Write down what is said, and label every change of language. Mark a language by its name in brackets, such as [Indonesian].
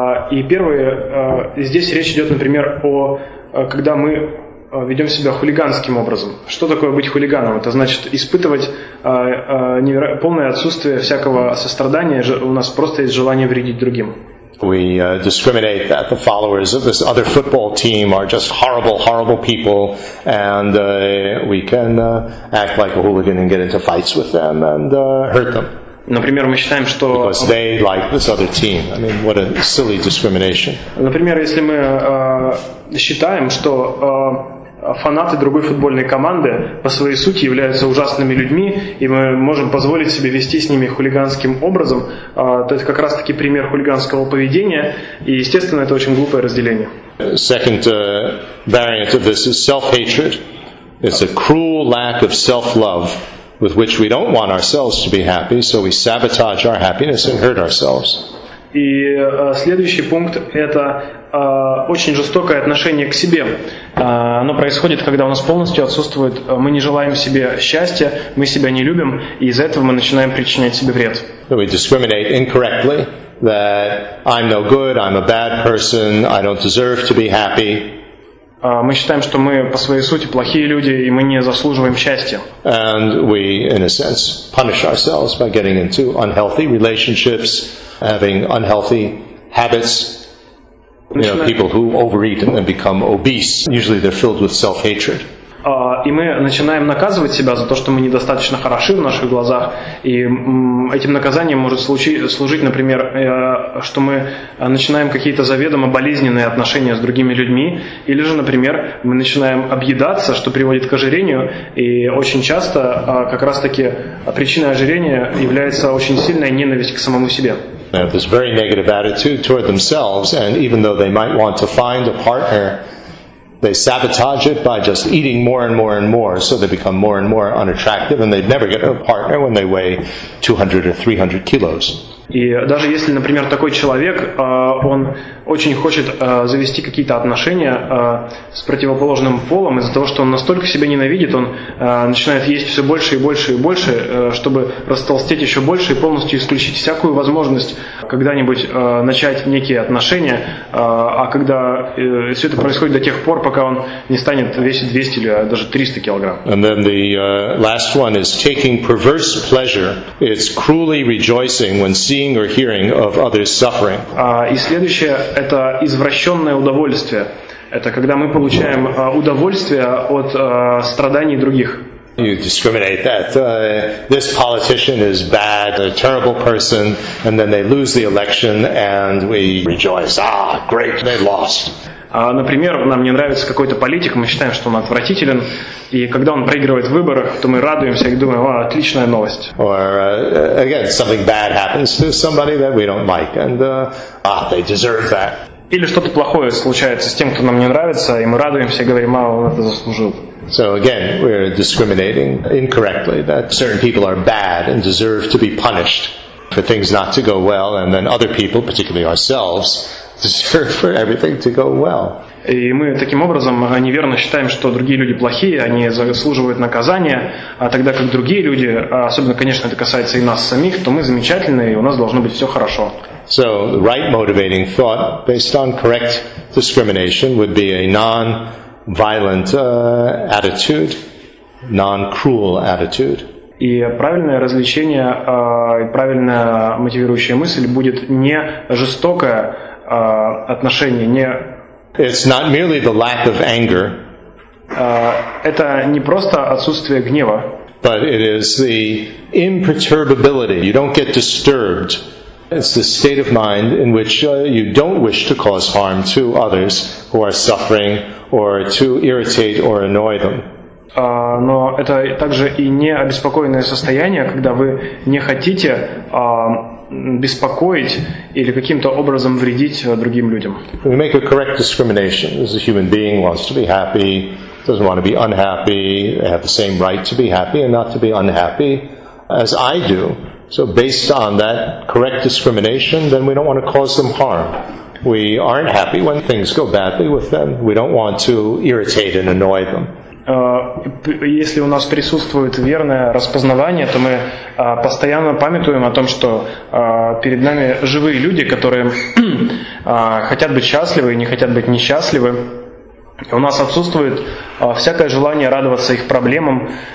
[Russian] И первое, здесь речь идет, например, о когда мы ведем себя хулиганским образом. Что такое быть хулиганом? Это значит испытывать полное отсутствие всякого сострадания. У нас просто есть желание вредить другим. [English] We discriminate that the followers of this other football team are just horrible, horrible people, and we can act like a hooligan and get into fights with them and hurt them. [Russian] Например, мы считаем, что [English] because they like this other team. I mean, what a silly discrimination. [Russian] Например, если мы считаем, что фанаты другой футбольной команды по своей сути являются ужасными людьми, и мы можем позволить себе вести с ними хулиганским образом, то это как раз таки пример хулиганского поведения, и естественно это очень глупое разделение. [English] Second variant of this is self-hatred. It's a cruel lack of self-love with which we don't want ourselves to be happy, so we sabotage our happiness and hurt ourselves. [Russian] И следующий пункт – это очень жестокое отношение к себе. Оно происходит, когда у нас полностью отсутствует, мы не желаем себе счастья, мы себя не любим, и из-за этого мы начинаем причинять себе вред. [English] We discriminate incorrectly, that I'm no good, I'm a bad person, I don't deserve to be happy. [Russian] Мы считаем, что мы по своей сути плохие люди, и мы не заслуживаем счастья. [English] And we, in a sense, punish ourselves by getting into unhealthy relationships, having unhealthy habits. You know, people who overeat and then become obese, usually they're filled with self-hatred. [Russian] И мы начинаем наказывать себя за то, что мы недостаточно хороши в наших глазах. И этим наказанием может служить, например, что мы начинаем какие-то заведомо болезненные отношения с другими людьми. Или же, например, мы начинаем объедаться, что приводит к ожирению. И очень часто как раз-таки причиной ожирения является очень сильная ненависть к самому себе. [English] They have this very negative attitude toward themselves, and even though they might want to find a partner, they sabotage it by just eating more and more and more, so they become more and more unattractive, and they'd never get a partner when they weigh 200 or 300 kilos. [Russian] И даже если, например, такой человек, он очень хочет завести какие-то отношения с противоположным полом, из-за того, что он настолько себя ненавидит, он начинает есть все больше и больше и больше, чтобы растолстеть еще больше и полностью исключить всякую возможность когда-нибудь начать некие отношения, а когда все это происходит до тех пор, пока он не станет весить 200 или даже 300 килограмм. [English] And then the last one is taking perverse pleasure. It's cruelly rejoicing when seeing or hearing of others suffering. [Russian] И следующее – это извращенное удовольствие. Это когда мы получаем удовольствие от страданий других. [English] You discriminate that. This politician is bad, a terrible person, and then they lose the election, and we rejoice. Ah, great, they lost. [Russian] Например, нам не нравится какой-то политик, мы считаем, что он отвратителен, и когда он проигрывает в выборах, то мы радуемся и думаем, о, отличная новость. [English] Or, again, something bad happens to somebody that we don't like, and they deserve that. [Russian] Или что-то плохое случается с тем, кто нам не нравится, и мы радуемся и говорим, а, он это заслужил. [English] So again, we're discriminating incorrectly that certain people are bad and deserve to be punished for things not to go well, and then other people, particularly ourselves, deserve for everything to go well. [Russian] И мы таким образом неверно считаем, что другие люди плохие, они заслуживают наказания, а тогда как другие люди, особенно, конечно, это касается и нас самих, то мы замечательные, и у нас должно быть все хорошо. [English] So, the right motivating thought, based on correct discrimination, would be a non-violent attitude, non-cruel attitude. [Russian] И правильное развлечение, правильная мотивирующая мысль будет не жестокое отношение, не... [English] It's not merely the lack of anger. [Russian] Это не просто отсутствие гнева. [English] But it is the imperturbability. You don't get disturbed. It's the state of mind in which you don't wish to cause harm to others who are suffering or to irritate or annoy them. [Russian] Но это также и не обеспокоенное состояние, когда вы не хотите беспокоить или каким-то образом вредить другим людям. [English] We make a correct discrimination. This is a human being wants to be happy, doesn't want to be unhappy. They have the same right to be happy and not to be unhappy as I do. So based on that correct discrimination, then we don't want to cause them harm. We aren't happy when things go badly with them. We don't want to irritate and annoy them. [Russian] Если у нас присутствует верное распознавание, то мы постоянно памятуем о том, что перед нами живые люди, которые хотят быть счастливы и не хотят быть несчастливы. И у нас отсутствует всякое желание радоваться их проблемам.